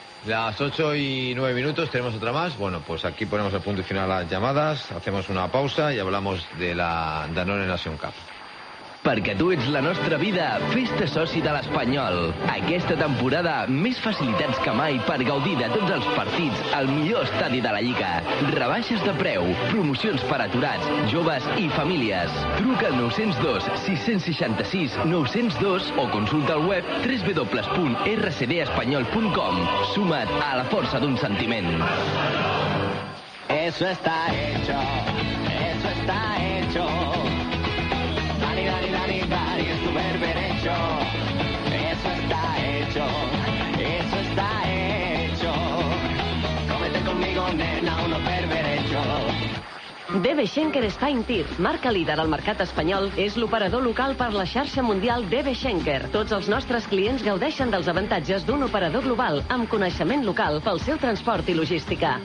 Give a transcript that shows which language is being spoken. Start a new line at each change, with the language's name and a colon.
Spanish: Las 8 y 9 minutos, tenemos otra más. Bueno, pues aquí ponemos el punto y final a las llamadas, hacemos una pausa y hablamos de la Danone Nation Cup.
Catalan: Perquè tu ets la nostra vida, fes-te soci de l'Espanyol. Aquesta temporada, més facilitats que mai per gaudir de tots els partits al millor estadi de la Lliga. Rebaixes de preu, promocions per aturats, joves i famílies. Truca al 902-666-902 o consulta el web www.rcdespanyol.com. Suma't a la força d'un sentiment.
Spanish: Eso está hecho, eso está hecho. Eso está hecho, cómete conmigo nena, uno perverecho.
Catalan: DB Schenker Spine Tir, marca líder al mercat espanyol, és l'operador local per la xarxa mundial DB Schenker. Tots els nostres clients gaudeixen dels avantatges d'un operador global amb coneixement local pel seu transport i logística.